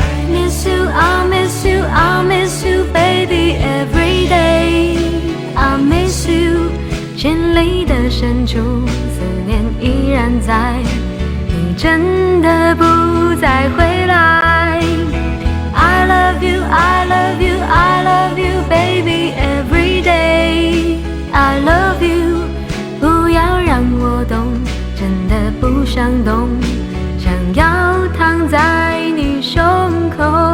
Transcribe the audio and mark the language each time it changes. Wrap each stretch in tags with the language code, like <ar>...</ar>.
<en>Miss you, I miss you, I miss you, baby, every day. I miss you,</en> <zh>心里的深处，思念依然在。真的不再回来。</zh> <en>I love you, I love you, I love you, baby, every day. I love you,</en> <zh>不要让我懂，真的不想懂，想要躺在你胸口。</zh>